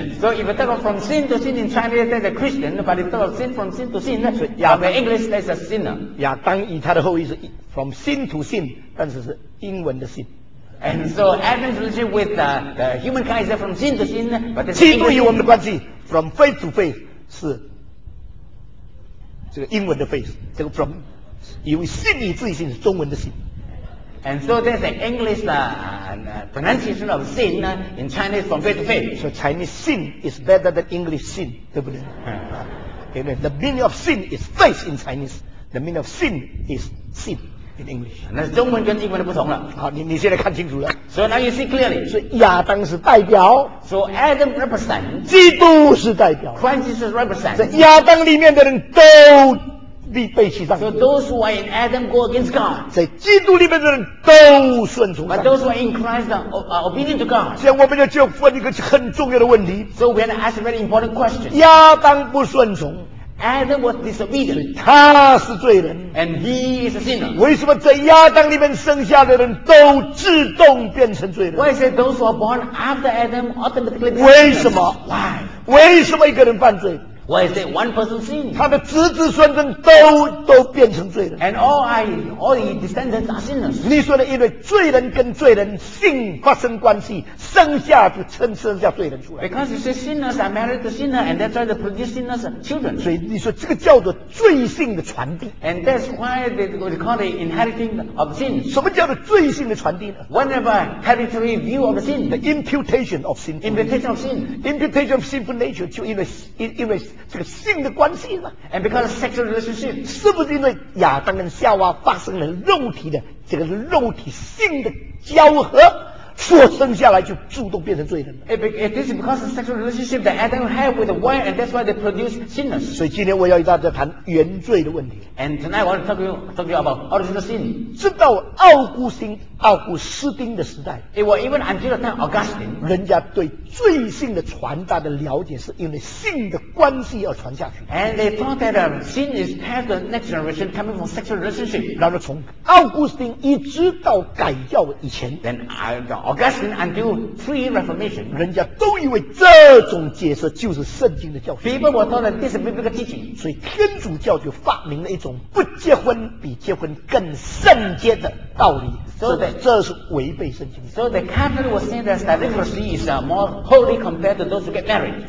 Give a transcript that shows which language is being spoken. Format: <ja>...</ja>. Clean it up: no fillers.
<en>So if we talk from sin to sin in Chinese, that's a Christian. But if we talk sin from sin to sin, from English, that's a sinner.</en> <zh>亚当与他的后裔是</zh> <en>from sin to sin，</en> <zh>但是是英文的 sin。</zh> <en>And so Adam's relationship with the humankind is from sin to sin, but</en> <zh>基督与我们的关系</zh> <en>from faith to faith</en> <zh>是这个英文的 faith， 这个</zh> <en>from</en> <zh>因为信以至于信是中文的 sin。</zh> <en>And so there's the English pronunciation of sin in Chinese from faith to faith. So Chinese sin is better than English sin,</en> <zh>对不对？</zh> <en>Okay, the meaning of sin is faith in Chinese. The meaning of sin is sin in English.</en> <zh>那是中文跟英文的不同了。好，你现在看清楚了。</zh> <en>So now you see clearly.</en> <zh>所以亚当是代表。</zh> <en>So Adam represents.</en> <zh>基督是代表。</zh> <en>Christ is represents.</en> <zh>在亚当里面的人都必背弃上帝。</zh> <en>So those who are in Adam go against God.</en> <zh>在基督里面的人都顺从上帝。</zh> <en>But those who are in Christ are obedient to God.</en> <zh>现在我们就问一个很重要的问题。</zh> <en>So we have to ask a very important question.</en> <zh>亚当不顺从。</zh> <en>Adam was disobedient.</en> <zh>他是罪人。</zh> <en>And he is a sinner.</en> <zh>为什么在亚当里面生下的人都自动变成罪人？</zh> <en>Why is it those who are born after Adam automatically become sinners?</en> <zh>为什么？</zh> <en>Why?</en> <zh>为什么一个人犯罪？</zh> <en>Why is that one person sin?</en> <zh>他的子子孙孙都变成罪人。</zh> <en>And all the descendants are sinners.</en> <zh>你说的因为罪人跟罪人性发生关系，生下就生下罪人出来。</zh> <en>Because you say sinners are married to sinners, and that's why they produce sinners children.</en> <zh>所以你说这个叫做罪性的传递。</zh> <en>And that's why they call the inheriting of sin.</en> <zh>什么叫做罪性的传递呢？</zh> <en>Whenever hereditary view of sin, the imputation of sin. Imputation of sin. Imputation of sinful nature,</en> <zh>就因为这个性的关系嘛。</zh> <en>And because of sexual relationship,</en> <zh>是不是因为亚当跟夏娃发生了肉体的这个肉体性的交合，所生下来就自动变成罪人？</zh> <en>It is because of sexual relationship that Adam had with the wife, and that's why they produce sinners.</en> <zh>所以今天我要与大家谈原罪的问题。</zh> <en>And tonight I want to talk to you about original sin.</en> <zh>直到奥古斯丁的时代，</zh> <en>It was even until the time of Augustine,</en> <zh>人家对罪性的传达的了解是因为性的关系而传下去。</zh> <en>And they thought that sin is past the next generation coming from sexual relationship.</en> <zh>然后从奥古斯丁一直到改教以前，</zh> <en>Then Augustine until pre-Reformation,</en> <zh>人家都以为这种解释就是圣经的教训。</zh> <en>People were taught that this is biblical teaching.</en> <zh>所以天主教就发明了一种不结婚比结婚更圣洁的道理。这是违背圣经。</zh> <en>So the Catholic was saying that celibacy is more holy compared to those who get married.</en>